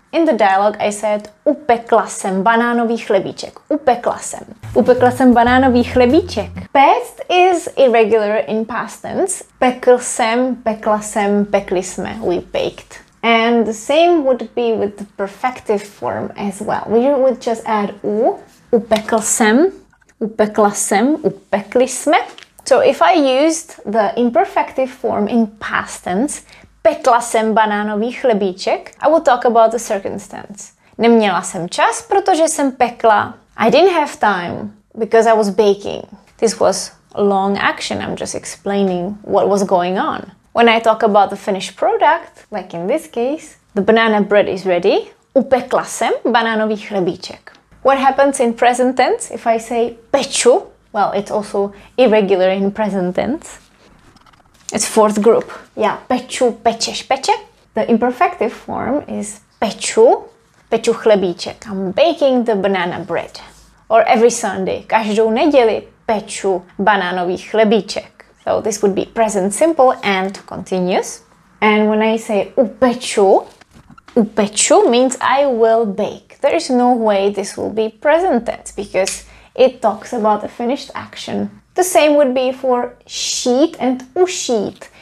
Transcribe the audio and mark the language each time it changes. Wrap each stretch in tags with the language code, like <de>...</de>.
<en>In the dialogue I said</en> <cs>upekla jsem banánový chlebíček. Upekla jsem. Upekla jsem banánový chlebíček. Péct</cs> <en>is irregular in past tense.</en> <cs>Pekl jsem, pekla jsem, pekli jsme.</cs> <en>We baked. And the same would be with the perfective form as well. We would just add u.</en> <cs>Upekl jsem, upekla jsem, upekli jsme.</cs> <en>So if I used the imperfective form in past tense,</en> <cs>pekla jsem banánový chlebíček,</cs> <en>I will talk about the circumstance.</en> <cs>Neměla jsem čas, protože jsem pekla.</cs> <en>I didn't have time because I was baking. This was long action. I'm just explaining what was going on. When I talk about the finished product, like in this case, the banana bread is ready.</en> <cs>Upekla jsem banánový chlebíček.</cs> <en>What happens in present tense if I say peču? Well, it's also irregular in present tense. It's fourth group.</en> <cs>Yeah, peču, pečeš, peče.</cs> <en>The imperfective form is</en> <cs>peču, peču chlebíček.</cs> <en>I'm baking the banana bread. Or every Sunday,</en> <cs>každou neděli peču banánový chlebíček.</cs> <en>So this would be present simple and continuous. And when I say upeču means I will bake. There is no way this will be present tense because it talks about the finished action. The same would be for šít and ušít.</en>